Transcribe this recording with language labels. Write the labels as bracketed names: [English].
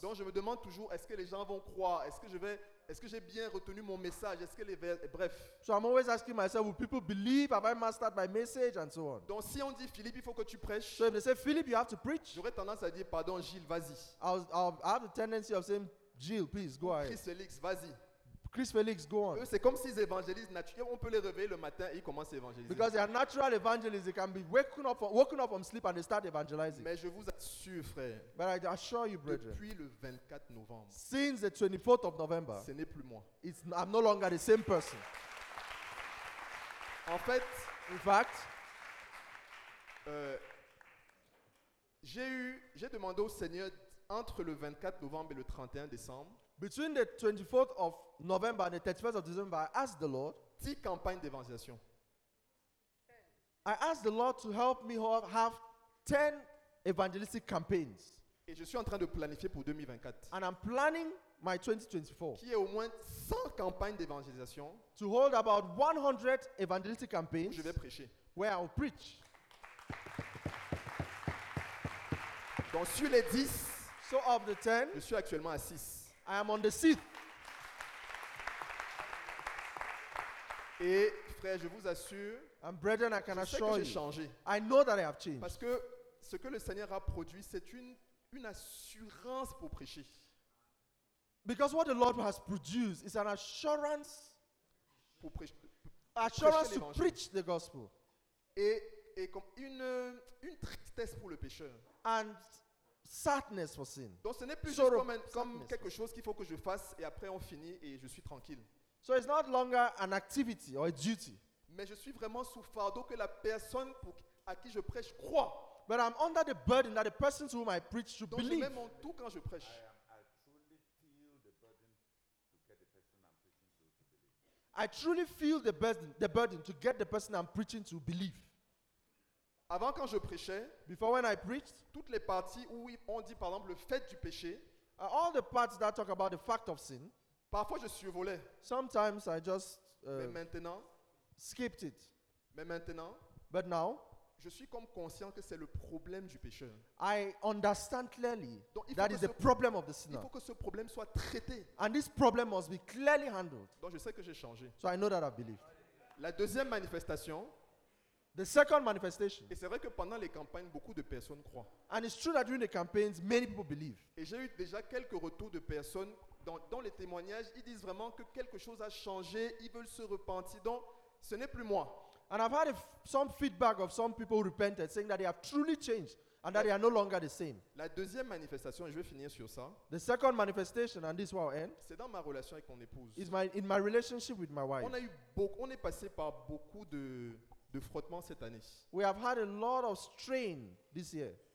[French] Donc, je me demande toujours, est-ce que les gens vont croire? Est-ce que j'ai bien retenu mon message? Est-ce que les bref. [English] So I'm always asking myself, will people believe? Have I mastered my message and so on? [French] Donc si on dit Philippe, il faut que tu prêches. [English] So if they say Philippe, you have to preach. [French] J'aurais tendance à dire pardon, Gilles, vas-y. [English] I have the tendency of saying Gilles, please go ahead. [French] Chris Félix, vas-y. [English] Chris Félix, go on. [French] Eux, c'est comme s'ils évangélisent naturellement. On peut les réveiller le matin et ils commencent à évangéliser. [English] Because they are natural evangelists, they can be woken up from sleep and they start evangelizing. [French] Mais je vous assure, frère. [English] But I assure you, brethren. [French] Depuis le 24 novembre. [English] Since the 24th of November. [French] Ce n'est plus moi. [English] I'm no longer the same person. [French] En fait. [English] In fact. [French] J'ai demandé au Seigneur entre le 24 novembre et le 31 décembre. [English] Between the 24th of November and the 31st of December, I asked the Lord [French] 10 campagnes d'évangélisation. [English] I asked the Lord to help me have 10 evangelistic campaigns. [French] Et je suis en train de planifier pour 2024. [English] And I'm planning my 2024. [French] Qui est au moins 100 campagnes d'évangélisation. [English] To hold about 100 evangelistic campaigns. [French] Je vais prêcher. [English] Where I'll preach. [French] Donc sur les 10, [English] so of the 10, [French] je suis actuellement à 6. [English] I am on the seat. [French] Et frère, je vous assure, [English] and brethren, I can assure [French] que j'ai changé. [English] I know that I have changed. [French] Parce que ce que le Seigneur a produit, c'est une assurance pour prêcher. [English] Because what the Lord has produced is an assurance [French] pour [English] assurance to preach the gospel. [French] Et comme une tristesse pour le pécheur. [English] And sadness for sin. [French] Donc ce n'est plus sort juste comme quelque chose qu'il faut que je fasse et après on finit et je suis tranquille. [English] So it's not longer an activity or a duty. [French] Mais je suis vraiment sous fardeau que la personne pour à qui je prêche croit. [English] But I'm under the burden that the person to whom I preach should [French] donc [English] believe. [French] Donc je mets mon tout quand je prêche. [English] I truly feel the burden to get the person I'm preaching to believe. [French] Avant quand je prêchais, [English] before when I preached, [French] toutes les parties où on dit par exemple le fait du péché, [English] all the parts that talk about the fact of sin, [French] parfois je survolais. [English] Sometimes I just [French] mais maintenant, [English] skipped it. [French] Mais maintenant, [English] but now, [French] je suis comme conscient que c'est le problème du pécheur. [English] I understand clearly [French] donc, [English] that is the problem of the sinner. [French] Il faut que ce problème soit traité. [English] And this problem must be clearly handled. [French] Donc je sais que j'ai changé. [English] So I know that I've believed. [French] La deuxième manifestation. [English] The second manifestation. [French] Et c'est vrai que pendant les campagnes, beaucoup de personnes croient. [English] And it's true that during the campaigns, many people believe. [French] Et j'ai eu déjà quelques retours de personnes dans les témoignages. Ils disent vraiment que quelque chose a changé. Ils veulent se repentir. Donc ce n'est plus moi. [English] And I've had some feedback of some people who repented, saying that they have truly changed and that they are no longer the same. [French] La deuxième manifestation, je vais finir sur ça. [English] The second manifestation, and this will end. [French] C'est dans ma relation avec mon épouse. [English] It's in my relationship with my wife. [French] On est passé par beaucoup de frottements cette année. [English] We have had a lot of strain this year.